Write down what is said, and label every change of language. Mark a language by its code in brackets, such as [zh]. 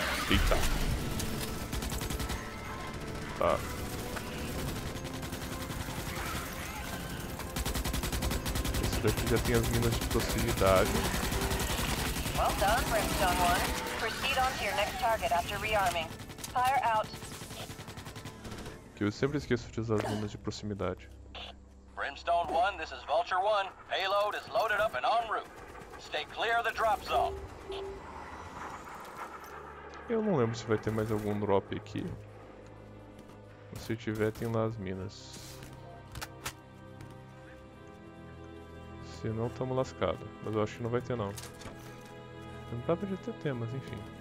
[pt] Eita. Tá. Esse daqui já tem as minas de proximidade. [en] Well done, Brimstone 1. Proceed on to your next target after rearming. Fire out. [pt] Que eu sempre esqueço de usar as minas de proximidade. [en] Brimstone 1, this is Vulture 1. Payload is loaded up and en route. Stay clear of the drop zone. [pt] Eu não lembro se vai ter mais algum drop aqui. Se tiver, tem lá as minas. Se não, tamo lascado. Mas eu acho que não vai ter não. Não dá pra já ter, mas enfim.